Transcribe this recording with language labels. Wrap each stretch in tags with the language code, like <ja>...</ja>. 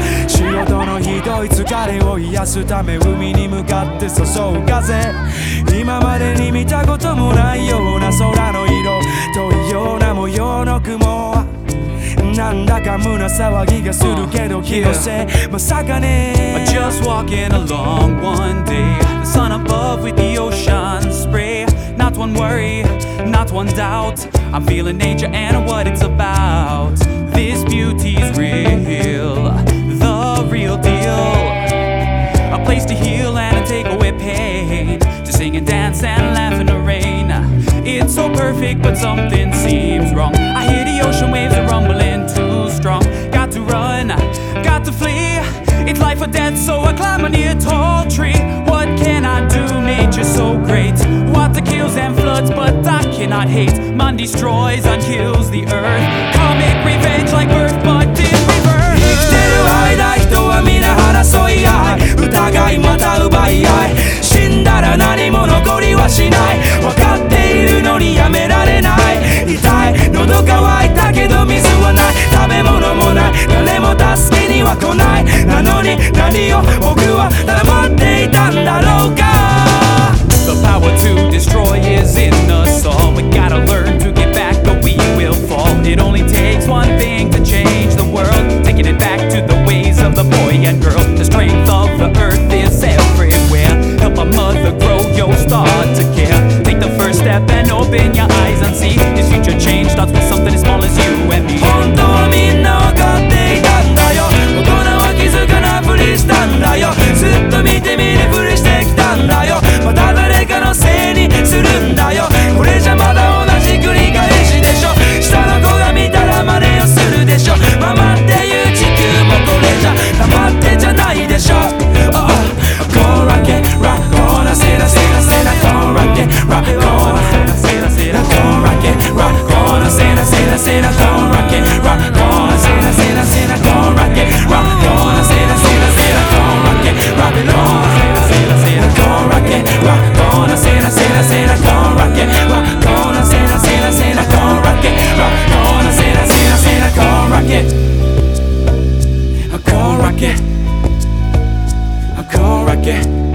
<ja>仕事のひどい疲れを癒すため、海に向かって注ぐ風。今までに見たこともないような空の色と異様な模様の雲。なんだか胸騒ぎがするけど気のせい、まさかね。</ja> <en>I'm just walking along one day, the sun above with the ocean spray. Not one worry, not one doubt, I'm feeling nature and what it's about. This beauty is real, the real deal. A place to heal and to take away pain, to sing and dance and laugh in the rain. It's so perfect but something seems wrong. I hear the ocean waves are rumbling too strong. Got to run, got to flee. It's life or death, so I climb a near tall tree. What can I do? Nature's so great. Water kills and floods, but I cannot hate. Man destroys and kills the earth. Comic revenge like birth, but in reverse.</en> <ja>生きてる間人は皆争い合い、疑いまた奪い合い、死んだら何も残りはしない。分かっているのにやめられない。痛い、喉乾いたけど水はない、食べ物もない、誰も助けには来ない。なのに何を僕は黙っていたんだろうか。</ja> <en>The power to destroy is in us all. We gotta learn to get back or we will fall. It only takes one thing to change the world, taking it back to the ways of the boy and girl. The strength of the earth is everywhere. Help a mother grow, you'll start to care. Take the first step and open your eyes and see. This future change starts with something as small as you and me.</en> <ja>本当はみんな分かっていたんだよ、大人は気づかなふりしたんだよ、ずっと見て見ぬふりしてきたんだよ、また誰かのせいにするんだよ。これじゃまだ同じ繰り返しでしょ、下の子が見たら真似をするでしょ。ママっていう地球もこれじゃ黙ってじゃないでしょ。</ja> <en>Oh oh, go rock it rock on, say that say that say that, go rock it rock on, say that say that, go rock it rock on, say that say that say that, go rock it rock on, say that say that say that, go rock it rock on, say that say that say that, go rock it rock it on, say that say that say that, go rock it rock on, say that say that say that, go rock it rock on, say that say that say that, go rock it rock on, say that say that say that, go rock it, go rock it, go rock it.</en>